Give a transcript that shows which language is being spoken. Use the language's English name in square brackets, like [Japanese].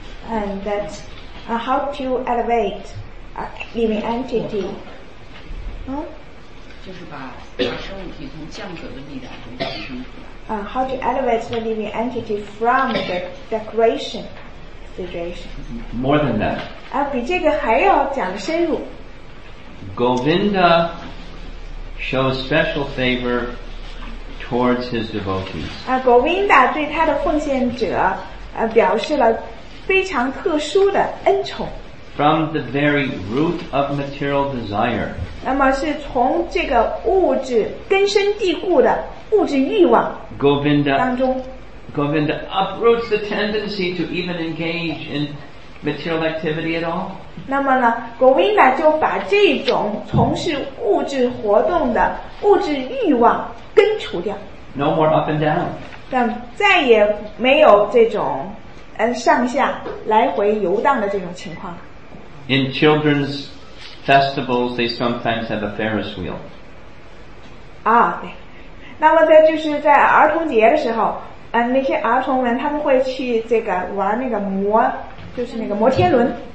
[English] And that, how to elevate a living entity. [Chinese] 就是把生物体从降格的力量中提升出来。 [English] How to elevate the living entity from the degradation situation. More than that. [Chinese] 比这个还要讲深入。 [English] Govinda shows special favor towards his devotees. [Chinese] Govinda 对他的奉献者表示了非常特殊的恩宠。 [English] From the very root of material desire. [Chinese] 那么是从这个物质根深蒂固的物质欲望当中。 [English] Govinda uproots the tendency to even engage in material activity at all. [Chinese] 那么呢 ,Govinda 就把这种从事物质活动的物质欲望根除掉。 [English] No more up and down. [Chinese] 但再也没有这种上下来回游荡的这种情况。 [English] In children's festivals, they sometimes have a Ferris wheel. [Chinese] 啊，对。那么在就是在儿童节的时候，那些儿童们他们会去这个玩那个摩，就是那个摩天轮。